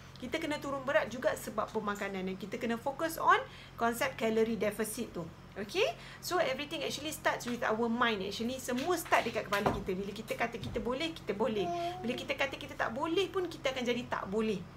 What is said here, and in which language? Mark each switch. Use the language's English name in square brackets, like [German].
[Malay] Kita kena turun berat juga sebab pemakanan. Dan kita kena fokus on konsep calorie deficit tu. Okay? [English] So everything actually starts with our mind actually. [Malay] Semua start dekat kepala kita. Bila kita kata kita boleh, kita boleh. Bila kita kata kita tak boleh pun, kita akan jadi tak boleh.